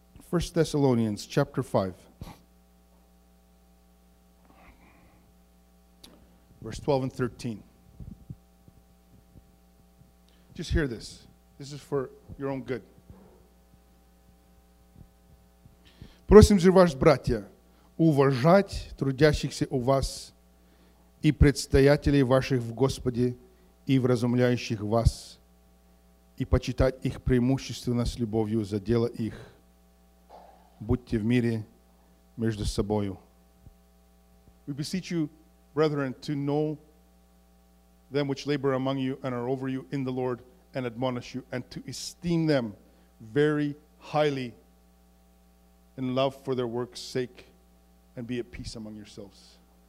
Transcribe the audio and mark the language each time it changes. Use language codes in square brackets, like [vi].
[en] First Thessalonians chapter 5, verse 12 and 13. Just hear this. This is for your own good. [ru] Просим же вас, братья, уважать трудящихся у вас и предстоятелей ваших в Господе и вразумляющих вас, и почитать их преимущественно с любовью за дело их. Будьте в мире между собою. [en] We beseech you, brethren, to know them which labor among you and are over you in the Lord and admonish you, and to esteem them very highly in love for their work's sake, and be at peace among yourselves.